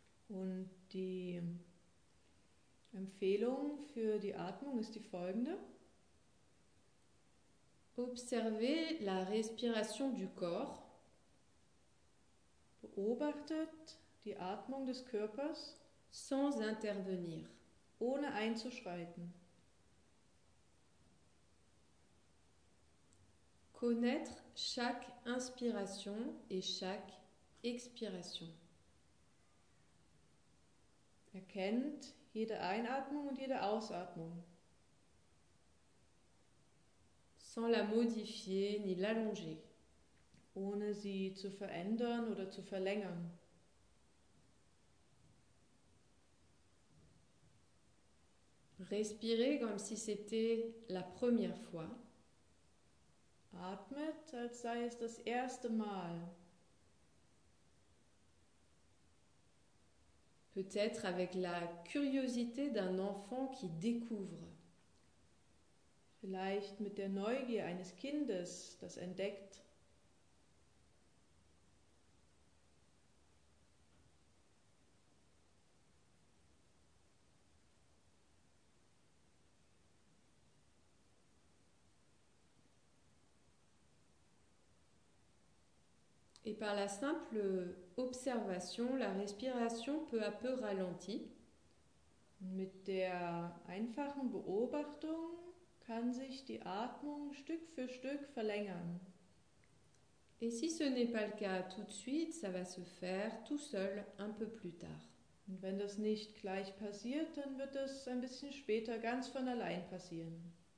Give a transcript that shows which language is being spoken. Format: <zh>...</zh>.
<de>Und die Empfehlung für die Atmung ist die folgende.</de> <fr>Observez la respiration du corps.</fr> <de>Beobachtet die Atmung des Körpers</de> <fr>sans intervenir,</fr> <de>ohne einzuschreiten.</de> <fr>Connaître chaque inspiration et chaque expiration.</fr> <de>Erkennt jede Einatmung und jede Ausatmung.</de> <fr>Sans la modifier ni l'allonger.</fr> <de>Ohne sie zu verändern oder zu verlängern.</de> <fr>Respirez comme si c'était la première fois.</fr> <de>Atmet, als sei es das erste Mal.</de> <fr>Peut-être avec la curiosité d'un enfant qui découvre.</fr> <de>Vielleicht mit der Neugier eines Kindes, das entdeckt.</de> <fr>Et par la simple observation, la respiration peu à peu ralentit.</fr> <de>Mit der einfachen Beobachtung kann sich die Atmung Stück für Stück verlängern.</de> <fr>Et si ce n'est pas le cas tout de suite, ça va se faire tout seul un peu plus tard.</fr> <de>Und wenn das nicht gleich passiert, dann wird es ein bisschen später ganz von allein passieren.</de>